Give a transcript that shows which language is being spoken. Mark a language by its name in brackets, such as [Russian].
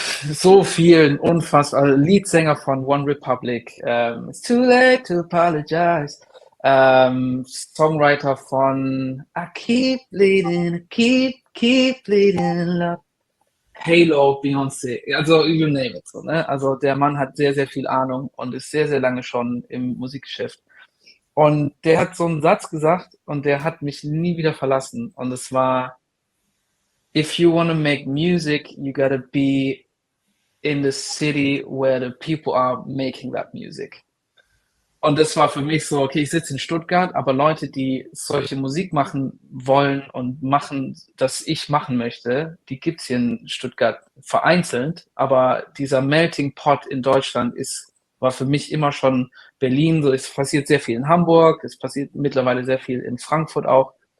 [German] so vielen unfassbar, also Leadsänger von One Republic, It's too late to apologize, Songwriter von I keep bleeding, keep bleeding love, Halo, Beyoncé, also [English] you name it, [German] so, ne? Also der Mann hat sehr, sehr viel Ahnung und ist sehr, sehr lange schon im Musikgeschäft. Und der hat so einen Satz gesagt und der hat mich nie wieder verlassen. Und es war, [English] if you want to make music, you gotta be in the city where the people are making that music. [German] Und das war für mich so, okay, ich sitze in Stuttgart, aber Leute, die solche Musik machen wollen und machen, dass ich machen möchte, die gibt es hier in Stuttgart vereinzelt. Aber dieser Melting Pot in Deutschland ist, war für mich immer schon Berlin. So, es passiert sehr viel in Hamburg, es passiert mittlerweile sehr viel in Frankfurt auch.